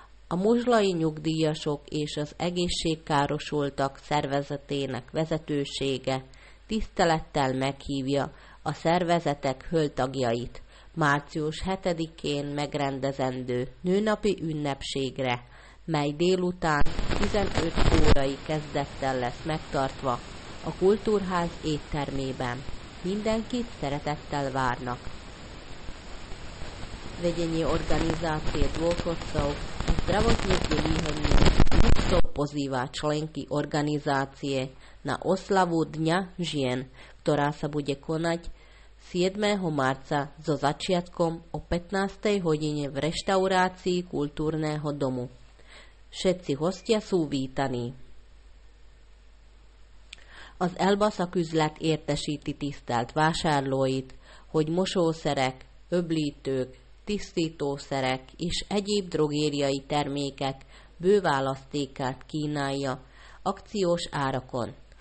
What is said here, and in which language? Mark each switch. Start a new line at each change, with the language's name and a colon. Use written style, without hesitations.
Hungarian: A muzslai nyugdíjasok és az egészségkárosultak szervezetének vezetősége tisztelettel meghívja a szervezetek hölgytagjait március 7-én megrendezendő nőnapi ünnepségre, mely délután 15 órai kezdettel lesz megtartva a kultúrház éttermében. Mindenkit szeretettel várnak.
Slovak: Vedenie organizácie dôchodcov a zdravotnícke výhodnenie isto pozýva členky organizácie na oslavu Dňa žien, ktorá sa bude konať 7. marca so začiatkom o 15. hodine v reštaurácii kultúrneho domu. Všetci hostia sú vítaní.
Hungarian: Az Elbaszak üzlet értesíti tisztelt vásárlóit, hogy mosószerek, öblítők, tisztítószerek és egyéb drogériai termékek bő választékát kínálja akciós árakon.